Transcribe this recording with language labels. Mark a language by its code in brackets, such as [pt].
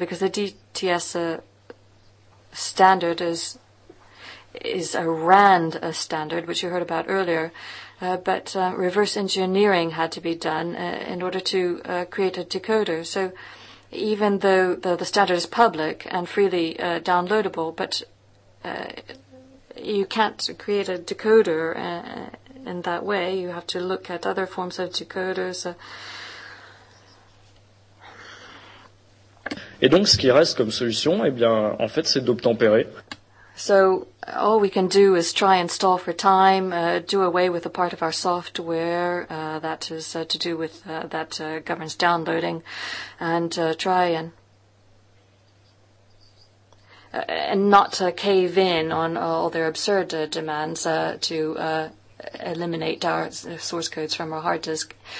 [en] So because the DTS standard is a RAND standard, which you heard about earlier, but reverse engineering had to be done in order to create a decoder. So even though the standard is public and freely downloadable, but you can't create a decoder in that way. You have to look at other forms of decoders. [fr] Et donc, ce qui reste comme solution, eh bien, en fait, c'est d'obtempérer. [en] So all we can do is try and stall for time, do away with a part of our software that is to do with that governs downloading, and try and. And not to cave in on all their absurd demands to eliminate our source codes from our hard disk.